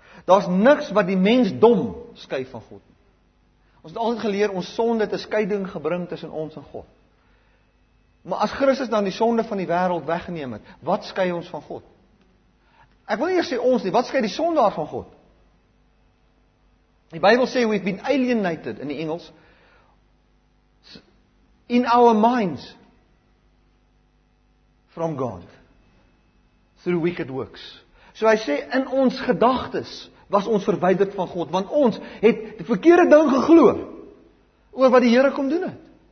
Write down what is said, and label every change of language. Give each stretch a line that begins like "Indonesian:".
Afrikaans: Daar is niks wat die mens dom skei van God nie. Ons het altyd geleer, ons sonde het 'n skeiding gebring tussen ons en God. Maar as Christus dan die sonde van die wêreld weggeneem het, wat skei ons van God? Ek wil nie eers sê ons nie, wat skei die sondaar van God? Die Bybel sê,
English: we've been alienated,
Afrikaans: in die Engels,
English: in our minds, from God, through wicked works.
Afrikaans: So hy sê, in ons gedagtes was ons verwyderd van God, want ons het die verkeerde ding geglo, oor wat die Here kom doen het.